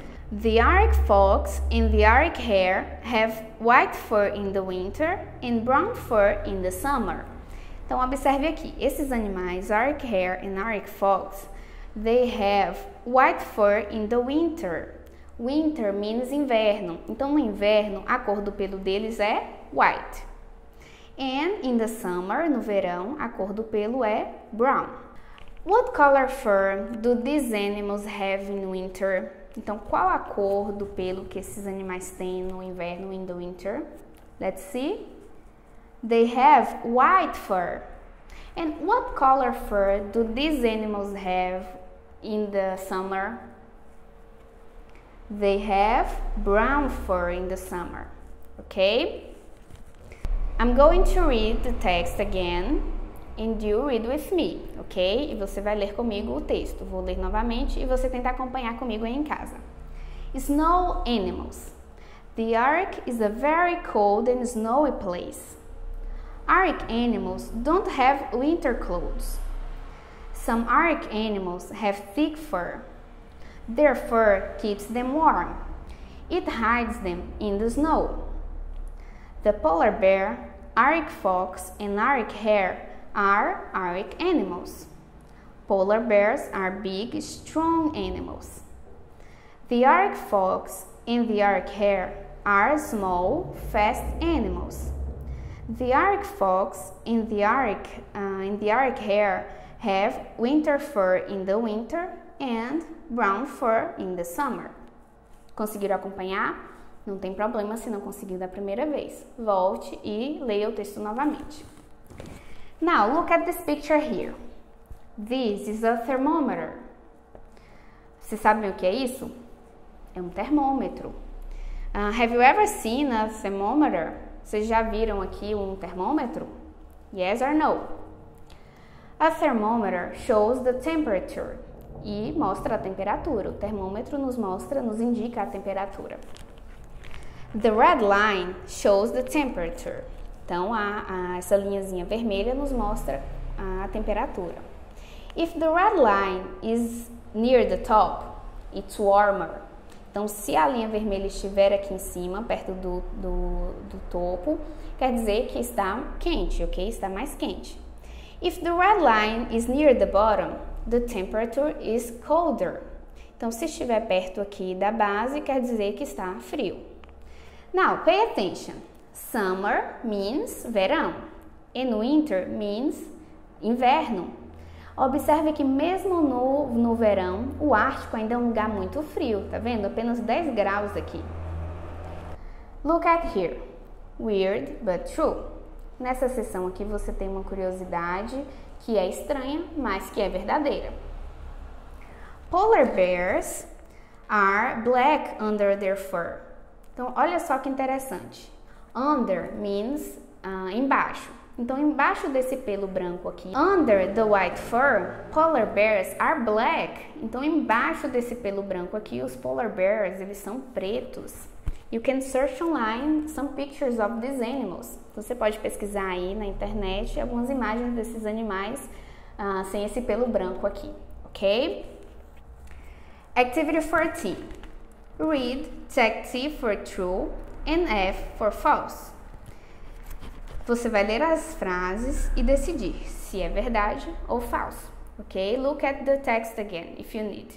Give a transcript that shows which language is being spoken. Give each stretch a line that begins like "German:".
English: The Arctic fox and the Arctic hare have white fur in the winter and brown fur in the summer.
Portuguese: Então, observe aqui. Esses animais,
English: Arctic hare and Arctic fox, they have white fur in the winter. Winter means inverno.
Portuguese: Então, no inverno, a cor do pelo deles é white.
English: And in the summer,
Portuguese: no verão, a cor do pelo é brown.
English: What color fur do these animals have in winter?
Portuguese: Então, qual a cor do pelo que esses animais têm no inverno,
English: in the winter? Let's see. They have white fur. And what color fur do these animals have in the summer? They have brown fur in the summer. Okay? I'm going to read the text again and you read with me, ok?
Portuguese: E você vai ler comigo o texto. Vou ler novamente e você tenta acompanhar comigo aí em casa.
English: Snow animals. The Arctic is a very cold and snowy place. Arctic animals don't have winter clothes. Some Arctic animals have thick fur. Their fur keeps them warm. It hides them in the snow. The polar bear, Arctic fox, and Arctic hare are Arctic animals. Polar bears are big, strong animals. The Arctic fox and the Arctic hare are small, fast animals. The Arctic fox and the Arctic hare have winter fur in the winter and brown fur in the summer.
Portuguese: Conseguiram acompanhar? Não tem problema se não conseguiu da primeira vez. Volte e leia o texto novamente.
English: Now, look at this picture here. This is a thermometer.
Portuguese: Vocês sabem o que é isso? É um termômetro.
English: Have you ever seen a thermometer?
Portuguese: Vocês já viram aqui um termômetro?
English: Yes or no? A thermometer shows the temperature.
Portuguese: E mostra a temperatura. O termômetro nos mostra, nos indica a temperatura.
English: The red line shows the temperature.
Portuguese: Então, essa linhazinha vermelha nos mostra a temperatura.
English: If the red line is near the top, it's warmer.
Portuguese: Então, se a linha vermelha estiver aqui em cima, perto do topo, quer dizer que está quente, ok? Está mais quente.
English: If the red line is near the bottom, the temperature is colder.
Portuguese: Então, se estiver perto aqui da base, quer dizer que está frio.
English: Now, pay attention. Summer means verão. And winter means inverno.
Portuguese: Observe que mesmo no verão, o Ártico ainda é um lugar muito frio. Tá vendo? Apenas 10 graus aqui.
English: Look at here. Weird but true.
Portuguese: Nessa seção aqui, você tem uma curiosidade que é estranha, mas que é verdadeira.
English: Polar bears are black under their fur.
Portuguese: Então, olha só que interessante. Under means embaixo. Então, embaixo desse pelo branco aqui.
English: Under the white fur, polar bears are black.
Portuguese: Então, embaixo desse pelo branco aqui, os polar bears, eles são pretos.
English: You can search online some pictures of these animals.
Portuguese: Então, você pode pesquisar aí na internet algumas imagens desses animais sem esse pelo branco aqui. Ok?
English: Activity 14. Read text C for true and F for false.
Portuguese: Você vai ler as frases e decidir se é verdade ou falso. Ok?
English: Look at the text again if you need.